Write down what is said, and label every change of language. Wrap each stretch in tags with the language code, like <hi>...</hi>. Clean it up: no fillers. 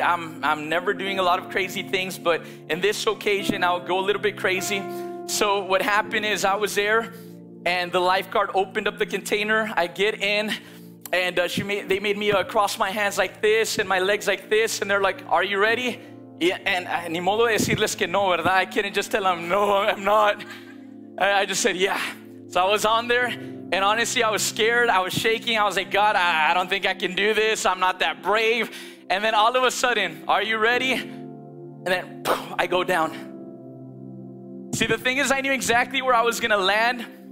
<en>I'm never doing a lot of crazy things, but in this occasion, I'll go a little bit crazy. So what happened is I was there, and the lifeguard opened up the container. I get in. And they made me cross my hands like this and my legs like this. And they're like, are you ready? Yeah, and</en> <es>ni modo de decirles que no, verdad?</es> <en>I couldn't just tell them, no, I'm not. I just said, yeah. So I was on there. And honestly, I was scared. I was shaking. I was like, God, I don't think I can do this. I'm not that brave. And then all of a sudden, are you ready? And then poof, I go down. See, the thing is, I knew exactly where I was going to land.</en>